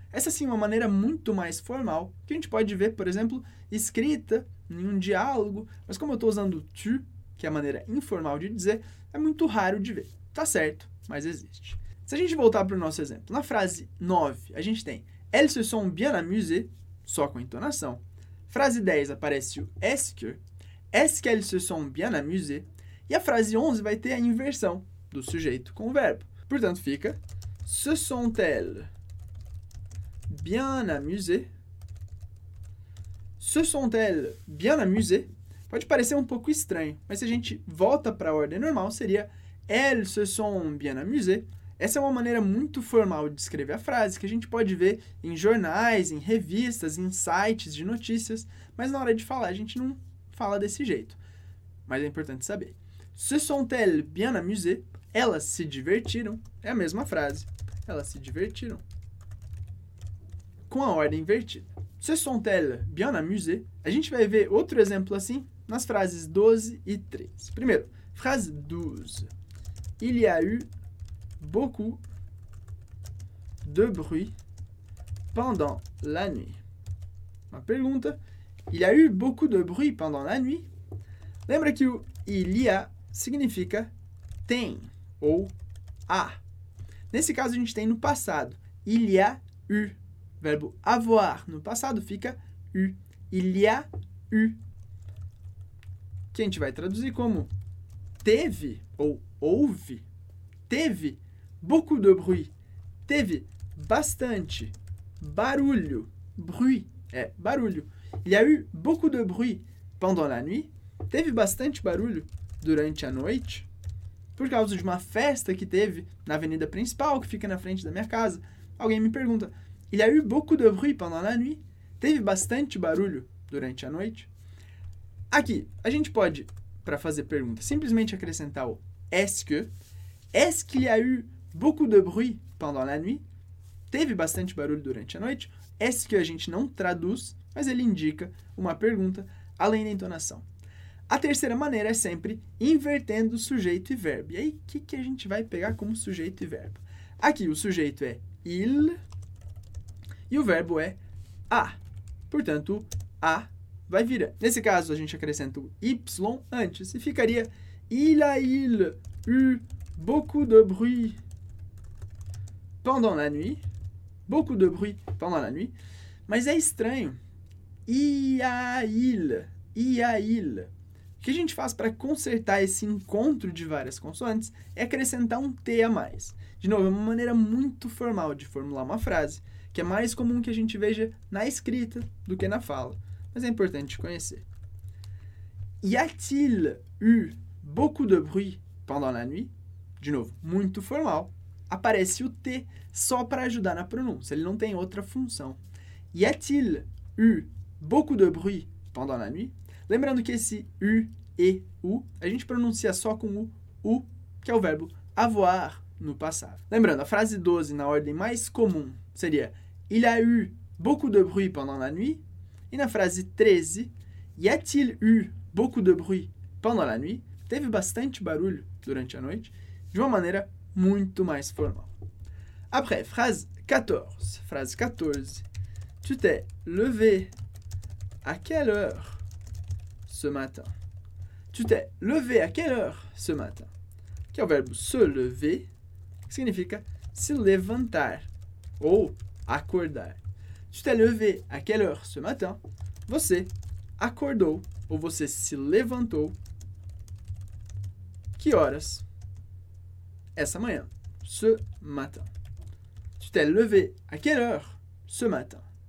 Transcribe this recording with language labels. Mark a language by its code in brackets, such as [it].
[pt] Essa sim é uma maneira muito mais formal, que a gente pode ver, por exemplo, escrita em um diálogo, mas como eu estou usando tu, que é a maneira informal de dizer, é muito raro de ver. Tá certo, mas existe. Se a gente voltar para o nosso exemplo, na frase 9, a gente tem [fr] Elles se sont bien amusées, [pt] só com entonação. Frase 10 aparece o [fr] est-ce que elles se sont bien amusées? [pt] E a frase 11 vai ter a inversão do sujeito com o verbo. Portanto, fica [fr] se sont-elles bien amusées. Se sont-elles bien amusées? [pt] Pode parecer um pouco estranho, mas se a gente volta para a ordem normal, seria [fr] elles se sont bien amusées. [pt] Essa é uma maneira muito formal de escrever a frase, que a gente pode ver em jornais, em revistas, em sites de notícias, mas na hora de falar a gente não fala desse jeito. Mas é importante saber. [fr] Se sont-elles bien amusées? [pt] Elas se divertiram. É a mesma frase. Elas se divertiram. Com a ordem invertida. [fr] Se sont-elles bien amusées? [pt] A gente vai ver outro exemplo assim nas frases 12 e 13. Primeiro, frase 12. [fr] Il y a eu beaucoup de bruit pendant la nuit. [pt] Uma pergunta. [fr] Il y a eu beaucoup de bruit pendant la nuit? [pt] Lembra que o il y a significa tem ou a. Nesse caso, a gente tem no passado. Il y a eu. Verbo avoir no passado fica eu. Il y a eu. Que a gente vai traduzir como teve ou houve. Teve beaucoup de bruit. Teve bastante barulho. Bruit é barulho. [fr] Il y a eu beaucoup de bruit pendant la nuit. [pt] Teve bastante barulho durante a noite. Por causa de uma festa que teve na avenida principal, que fica na frente da minha casa, alguém me pergunta... [fr] Il y a eu beaucoup de bruit pendant la nuit. [pt] Teve bastante barulho durante a noite. Aqui, a gente pode, para fazer pergunta, simplesmente acrescentar o est-ce que. [fr] Est-ce qu'il y a eu beaucoup de bruit pendant la nuit? [pt] Teve bastante barulho durante a noite. Est-ce que a gente não traduz, mas ele indica uma pergunta, além da entonação. A terceira maneira é sempre invertendo sujeito e verbo. E aí, o que, que a gente vai pegar como sujeito e verbo? Aqui, o sujeito é il... E o verbo é a. Portanto, a vai virar. Nesse caso, a gente acrescenta o y antes e ficaria [fr] Il a il eu beaucoup de bruit pendant la nuit. [pt] Beaucoup de bruit pendant la nuit. Mas é estranho. Ia-il. O que a gente faz para consertar esse encontro de várias consoantes é acrescentar um T a mais. De novo, é uma maneira muito formal de formular uma frase, que é mais comum que a gente veja na escrita do que na fala, mas é importante conhecer. [fr] Y a-t-il eu beaucoup de bruit pendant la nuit? [pt] De novo, muito formal. Aparece o T só para ajudar na pronúncia, ele não tem outra função. [fr] Y a-t-il eu beaucoup de bruit pendant la nuit? [pt] Lembrando que esse u, e, u, a gente pronuncia só com o u, que é o verbo avoir no passado. Lembrando, a frase 12 na ordem mais comum seria [fr] Il a eu beaucoup de bruit pendant la nuit. [pt] E na frase 13, [fr] Y a-t-il eu beaucoup de bruit pendant la nuit? [pt] Teve bastante barulho durante a noite, de uma maneira muito mais formal. Après, frase 14. [fr] Tu t'es levé à quelle heure? Ce matin. Tu t'es levé à quelle heure ce matin? [pt] Que é o verbo se lever, que significa se levantar ou acordar. [fr] Tu t'es levé à quelle heure ce matin? [pt] Você acordou ou você se levantou que horas essa manhã? [fr] Ce matin. Tu t'es levé à quelle heure ce matin?